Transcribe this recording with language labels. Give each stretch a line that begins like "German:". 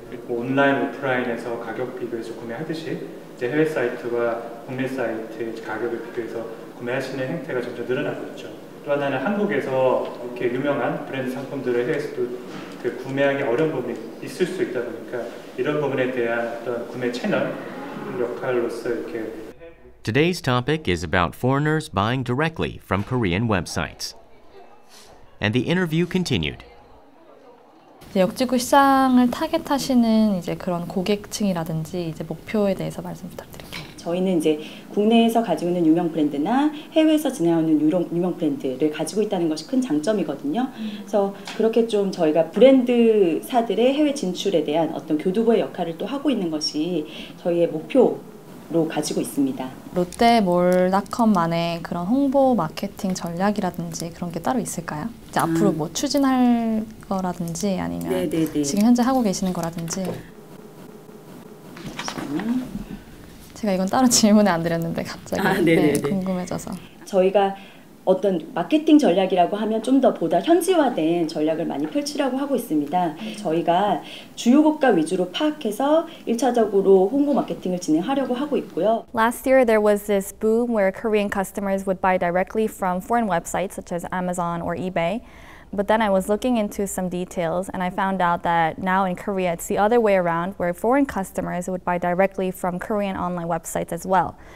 Korean: 온라인 오프라인에서 가격 비교해서 구매하듯이 이제 해외 사이트와 국내 사이트 가격을 비교해서 구매하시는 행태가 점점 늘어나고 있죠. 또 하나는 한국에서 이렇게 유명한 브랜드 상품들을 해외에서도 그 구매하기 어려운 부분이 있을 수 있다 보니까 이런 부분에 대한 어떤 구매 채널 역할로서 이렇게
English: Today's topic is about foreigners buying directly from Korean websites. and the interview continued.
Korean: 역지구 시장을 타겟하시는 이제 그런 고객층이라든지 이제 목표에 대해서 말씀 부탁드릴게요. 저희는 이제 국내에서 가지고 있는 유명 브랜드나 해외에서 진행하는 유명 브랜드를 가지고 있다는 것이 큰 장점이거든요. 그래서 그렇게 좀 저희가 브랜드사들의 해외 진출에 대한 어떤 교두보의 역할을 또 하고 있는 것이 저희의 목표로 가지고 있습니다. 롯데몰닷컴만의 그런 홍보 마케팅 전략이라든지 그런 게 따로 있을까요? 이제 앞으로 뭐 추진할 거라든지 아니면 네네네. 지금 현재 하고 계시는 거라든지 제가 이건 따로 질문을 안 드렸는데 갑자기 네, 궁금해져서 저희가 어떤 마케팅 전략이라고 하면 좀 더 보다 현지화된 전략을 많이 펼치려고 하고 있습니다. 저희가 주요 국가 위주로 파악해서 1차적으로 홍보 마케팅을 진행하려고 하고 있고요.
English: Last year there was this boom where Korean customers would buy directly from foreign websites such as Amazon or eBay. But then I was looking into some details and I found out that now in Korea it's the other way around where foreign customers would buy directly from Korean online websites as well.